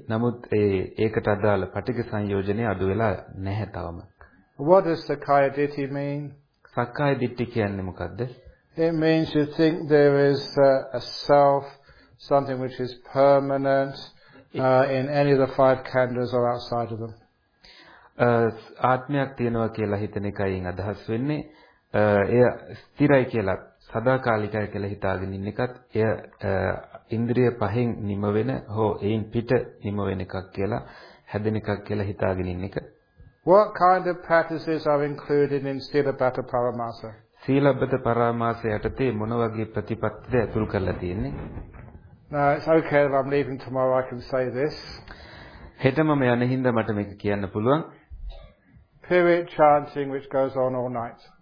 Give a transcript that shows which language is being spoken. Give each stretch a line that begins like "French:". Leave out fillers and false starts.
Sinhala: නමුත් ඒකට අදාළ පටිඝ සංයෝජනේ අඩු වෙලා නැහැ තවම.
English: What does sakkaya ditthi mean?
Sinhala: Sakkaya ditthi කියන්නේ මොකද්ද?
English: It means you think there is a self, something which is permanent in any of the five khandhas or outside of them.
Sinhala: ආත්මයක් තියෙනවා කියලා හිතන එකයින් අදහස් වෙන්නේ එය ස්ථිරයි කියලා සදාකාලිකයි කියලා හිතාගෙන ඉන්න එකත් එය ඉන්ද්‍රිය පහෙන් නිමවෙන හෝ එයින් පිට නිමවෙන එකක් කියලා හැදෙන එකක් කියලා හිතාගෙන ඉන්න එක.
English: What kind of practices are included in Sīlabbaṭa Paramāsa?
Sinhala: Sīlabbaṭa Paramāsa යටතේ මොන වගේ ප්‍රතිපත්තිද ඇතුල් කරලා තියෙන්නේ?
English: Now it's okay if I'm leaving tomorrow, I can say this.
Sinhala: හෙට මම යන හින්දා මට මේක කියන්න පුළුවන්.
English: Pivot chanting which goes on all night.